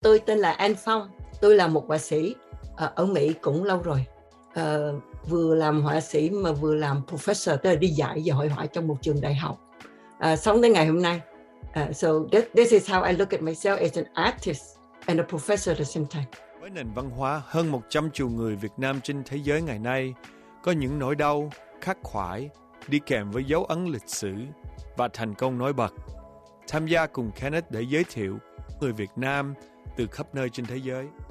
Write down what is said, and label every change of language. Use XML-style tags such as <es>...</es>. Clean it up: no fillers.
<vi>Tôi tên là An Phong, tôi là một họa sĩ ở Mỹ cũng lâu rồi. Vừa làm họa sĩ mà vừa làm professor, tức là đi dạy về hội họa trong một trường đại học. Sống đến ngày hôm nay.</vi> <en>So this is how I look at myself as an artist and a professor at the same time.</en> <vi>Với nền văn hóa hơn 100 triệu người Việt Nam trên thế giới ngày nay, có những nỗi đau, khắc khoải, đi kèm với dấu ấn lịch sử và thành công nổi bật. Tham gia cùng Kenneth để giới thiệu người Việt Nam từ khắp nơi trên thế giới.</vi>